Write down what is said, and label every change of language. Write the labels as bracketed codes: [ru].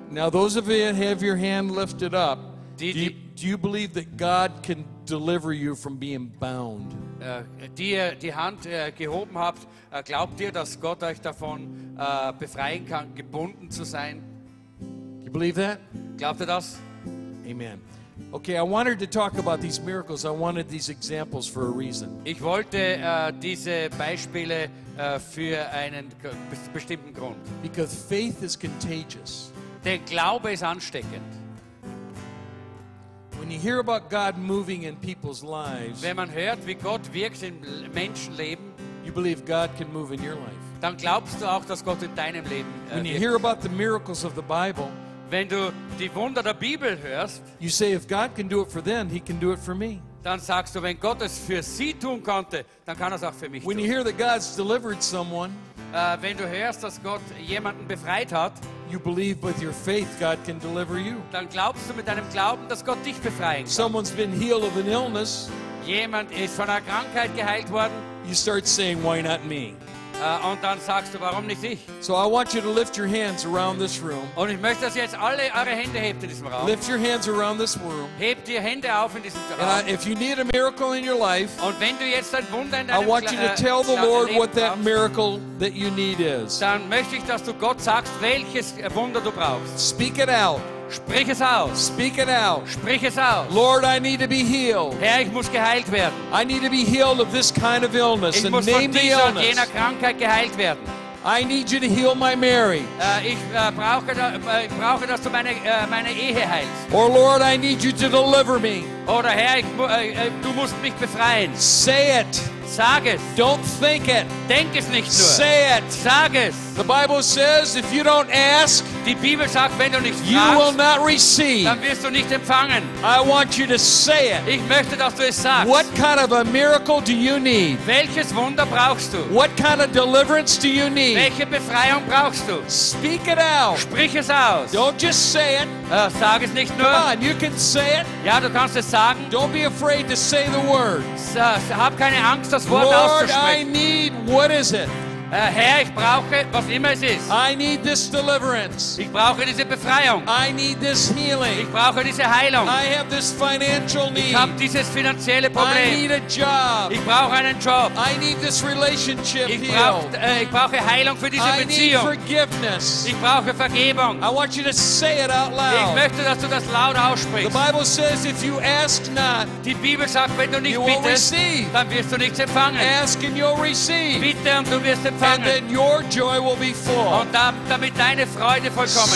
[en] Now those of you have your hand lifted up, do you believe that God can deliver you from being bound? [de] Die Hand gehoben habt, glaubt ihr, dass Gott euch davon befreien kann, gebunden zu sein? [en] You believe that? [de] Glaubt ihr das? Amen. [en] Okay, I wanted to talk about these miracles. I wanted these examples for a reason. [de] Ich wollte diese Beispiele für einen bestimmten Grund. [en] Because faith is contagious. [de] Der Glaube ist ansteckend. [en] When you hear about God moving in people's lives, [de] wenn man hört, wie Gott wirkt im Menschenleben, [en] you believe God can move in your life. [de] Dann glaubst du auch, dass Gott in deinem Leben wirkt. [en] When you hear about the miracles of the Bible, [de] wenn du die Wunder der Bibel hörst, [en] you say, if God can do it for them, he can do it for me. [de] Dann sagst du, wenn Gott es für sie tun konnte, dann kann er es auch für mich tun. [en] When you hear that God's delivered someone, [de] wenn du hörst, dass Gott jemanden befreit hat, [en] you believe with your faith God can deliver you. [de] Dann glaubst du mit deinem Glauben, dass Gott dich befreien kann. [en] Someone's been healed of an illness. [de] Jemand ist von einer Krankheit geheilt worden. [en] You start saying, why not me? [de] Und dann sagst du, warum nicht ich? [en] So I want you to lift your hands around this room. [de] Und ich möchte, dass jetzt alle eure Hände hebt in diesem Raum. [en] Lift your hands around this room. [de] Hebt ihr Hände auf in diesem Raum. [en] If you need a miracle in your life, [de] und wenn du jetzt ein Wunder in deinem [en] I want you to tell the Lord what that miracle that you need is. [de] Dann möchte ich, dass du Gott sagst, welches Wunder du brauchst. [en] Speak it out. [de] Sprich es aus. [en] Speak it out. [de] Sprich es aus. [en] Lord, I need to be healed. [de] Herr, ich muss geheilt werden. [en] I need to be healed of this kind of illness. [de] Ich muss [en] name [de] von dieser und jener Krankheit geheilt werden. [en] I need you to heal my marriage. [de] Ich brauche, dass du meine Ehe heilst. [en] Or Lord, I need you to deliver me. [de] Oder Herr, du musst mich befreien. [en] Say it. [de] Sag es. [en] Don't think it. [de] Denk es nicht nur. [en] Say it. [de] Sag es. [en] The Bible says, if you don't ask, [de] die Bibel sagt, wenn du nicht fragst, [en] you will not receive. [de] Dann wirst du nicht empfangen. [en] I want you to say it. [de] Ich möchte, dass du es sagst. [en] What kind of a miracle do you need? [de] Welches Wunder brauchst du? [en] What kind of deliverance do you need? [de] Welche Befreiung brauchst du? [en] Speak it out. [de] Sprich es aus. [en] Don't just say it. [de] Sag es nicht nur. [en] Come on, you can say it. [de] Ja, du kannst es sagen. [en] Don't be afraid to say the words. [de] Hab keine Angst, das Wort [en] Lord, [de] auszusprechen. [en] I need, what is it? [de] Herr, ich brauche, was immer es ist. [en] I need this deliverance. [de] Ich brauche diese Befreiung. [en] I need this healing. [de] Ich brauche diese Heilung. [en] I have this financial need. [de] Ich habe dieses finanzielle Problem. [en] I need a job. [de] Ich brauche einen Job. [en] I need this relationship healed. [de] Ich brauche Heilung für diese [en] I [de] Beziehung. [en] I need forgiveness. [de] Ich brauche Vergebung. [en] I want you to say it out loud. [de] Ich möchte, dass du das laut aussprichst. [en] The Bible says, if you ask not, [de] die Bibel sagt, wenn du nicht [en] you [de] bittest, [en] will receive. [de] Dann wirst du nichts empfangen. [en] Ask and you'll receive. [de] Bitte und du wirst empfangen. empfangen. [en] And then your joy will be full. [de] Und damit deine Freude vollkommen